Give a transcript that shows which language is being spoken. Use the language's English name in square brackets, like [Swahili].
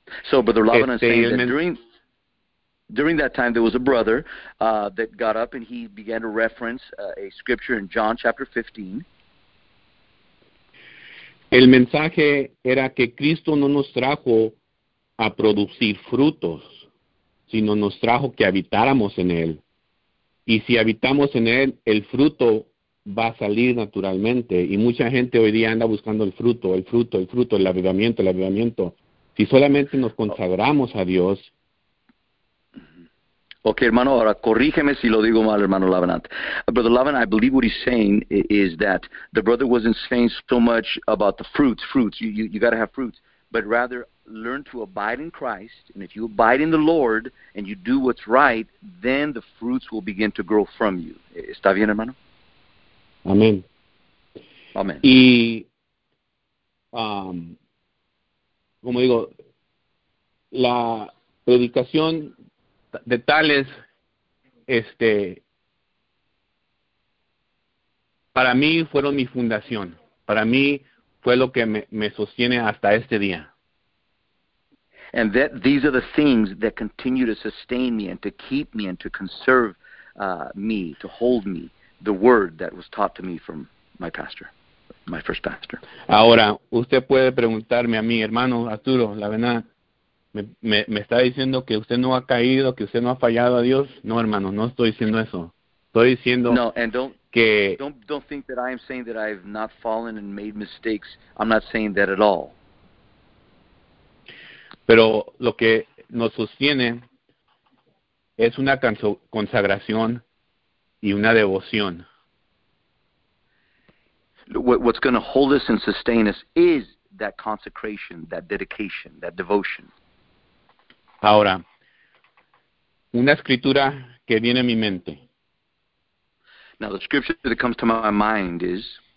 [English] So, Brother Lavin is saying that during that time, there was a brother that got up and he began to reference a scripture in John chapter 15. [Spanish] El mensaje era que Cristo no nos trajo a producir frutos, sino nos trajo que habitáramos en Él. Y si habitamos en Él, el fruto va a salir naturalmente. Y mucha gente hoy día anda buscando el fruto, el fruto, el fruto, el avivamiento, el avivamiento. Si solamente nos consagramos a Dios. Okay, hermano, ahora corrígeme si lo digo mal, hermano Lavanant. [English] Brother Lavanant, I believe what he's saying is that the brother wasn't saying so much about the fruits, fruits, you got to have fruits, but rather learn to abide in Christ, and if you abide in the Lord and you do what's right, then the fruits will begin to grow from you. [Spanish] ¿Está bien, hermano? Amén. Amén. Y como digo, la predicación de tales, para mí fueron mi fundación. Para mí fue lo que me sostiene hasta este día. [English] And that these are the things that continue to sustain me and to keep me and to conserve me, to hold me, the word that was taught to me from my pastor, my first pastor. [Spanish] Ahora, usted puede preguntarme a mí, hermano Arturo, la verdad, me está diciendo que usted no ha caído, que usted no ha fallado a Dios. No, hermano, no estoy diciendo eso. Estoy diciendo [English] no, and [Spanish] que... [English] Don't think that I am saying that I have not fallen and made mistakes. I'm not saying that at all. [Spanish] Pero lo que nos sostiene es una consagración y una devoción. [English] What's going to hold us and sustain us is that consecration, that dedication, that devotion. [Spanish] Ahora, una escritura que viene a mi mente. [English] Now, the scripture that comes to my mind is...